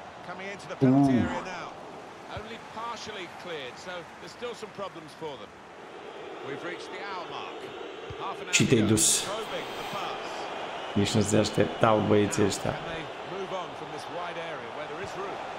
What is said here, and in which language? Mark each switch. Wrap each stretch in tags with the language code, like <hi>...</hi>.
<en>Coming into the penalty area now. Only partially cleared, so there's still some problems for them. We've reached the hour mark. Half an hour. Probing the pass.</en> <ro>Nici nu se așteptau băieții ăștia.</ro> <en>Move on from this wide area where there is room.</en>